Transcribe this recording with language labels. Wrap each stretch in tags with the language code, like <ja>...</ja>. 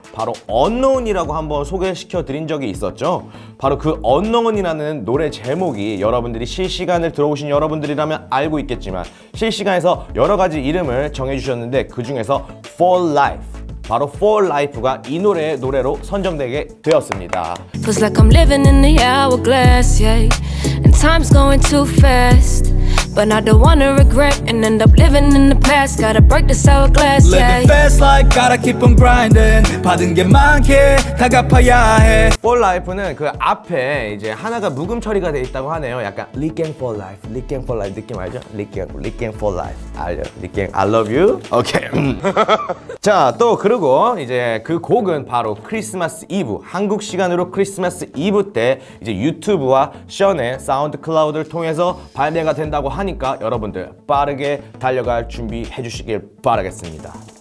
<ko>바로 언노운이라고 한번 소개시켜 드린 적이 있었죠. 바로 그 언노운이라는 노래 제목이 여러분들이 실시간을 들어오신 여러분들이라면 알고 있겠지만 실시간에서 여러 가지 이름을 정해주셨는데 그 중에서 For Life, 바로 For Life가 이 노래의 노래로 선정되게 되었습니다.</ko> <en>Feels like I'm living in the hourglass, yeah. And time's going too fast. But I don't wanna regret and end up living in the past. Gotta break this hourglass, yeah. Living fast like gotta keep on grinding.</en> <ko>받은 게 많게 다 갚아야 해. For Life는 그 앞에 이제 하나가 묵음 처리가 돼 있다고 하네요. 약간 Lick Gang For Life, Lick Gang For Life 느낌 알죠? Lick Gang For Life, 알죠?</ko> <en>Lick Gang, I love you. 오케이. Okay.</en> <ko>자, 또 그리고 이제 그 곡은 바로 크리스마스 이브, 한국 시간으로 크리스마스 이브 때 이제 유튜브와 션의 사운드 클라우드를 통해서 발매가 된다고 하니까 여러분들 빠르게 달려갈 준비 해주시길 바라겠습니다.</ko>